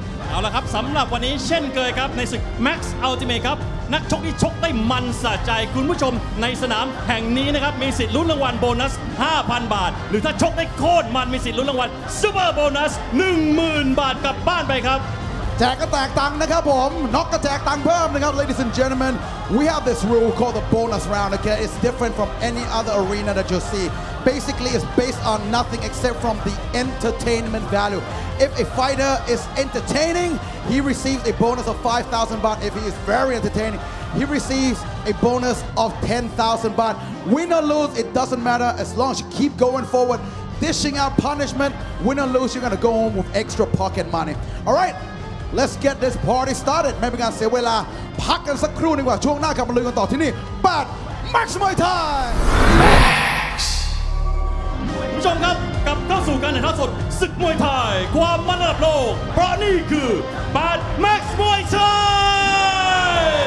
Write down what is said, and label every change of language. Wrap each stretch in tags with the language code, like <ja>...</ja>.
<th>เอาละครับสำหรับวันนี้เช่นเคยครับในศึก Max Ultimate ครับนักชกที่ชกได้มันสะใจคุณผู้ชมในสนามแห่งนี้นะครับมีสิทธิ์ลุ้นรางวัลโบนัส 5,000 บาทหรือถ้าชกได้โคตรมันมีสิทธิ์ลุ้นรางวัลซูเปอร์โบนัส 10,000 บาทกลับบ้านไปครับ แจกก็แตกตังค์นะครับผมน็อกก็แจกตังค์เพิ่มนะครับ</th> <en>Ladies and Gentlemen we have this rule called the bonus round okay it's different from any other arena that you see basically it's based on nothing except from the entertainment value if a fighter is entertaining he receives a bonus of 5,000 baht if he is very entertaining he receives a bonus of 10,000 baht win or lose it doesn't matter as long as you keep going forward dishing out punishment win or lose you're gonna go home with extra pocket money all rightLet's get this party started.</en> <th>ไม่เป็นการเสียเวลาพักกันสักครู่ดีกว่าช่วงหน้ากลับมาลุยกันต่อที่นี่8 Max Muay Thai</th> <en>Max</en> <th>คุณผู้ชมครับกลับเข้าสู่การถ่ายทอดสดศึกมวยไทยความมันระดับโลกเพราะนี่คือ8 Max Muay Thai</th>